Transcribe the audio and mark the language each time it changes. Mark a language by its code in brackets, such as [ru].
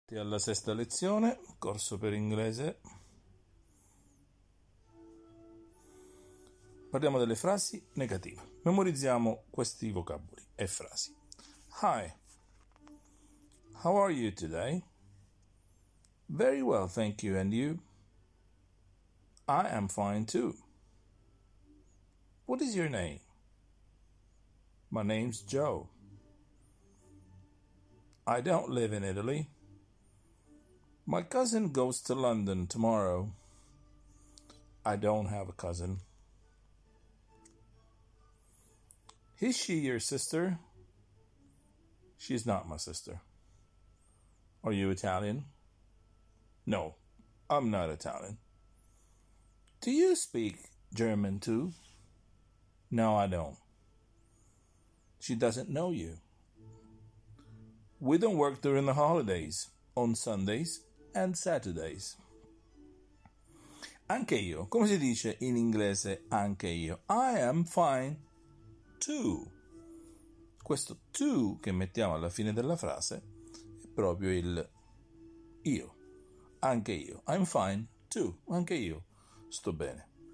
[it] Alla sesta lezione, corso per inglese. Parliamo delle frasi negative. Memorizziamo questi vocaboli e frasi. [en] Hi, how are you today? Very well, thank you, and you? I am fine too. What is your name? My name's Joe. I don't live in Italy. My cousin goes to London tomorrow. I don't have a cousin. Is she your sister? She's not my sister. Are you Italian? No, I'm not Italian. Do you speak German too? No, I don't. She doesn't know you. We don't work during the holidays, on Sundays and Saturdays. [it] Anche io. Come si dice in inglese anche io? [en] I am fine too. [it] Questo too che mettiamo alla fine della frase è proprio il io. Anche io. [en] I'm fine too. [it] Anche io. Sto bene.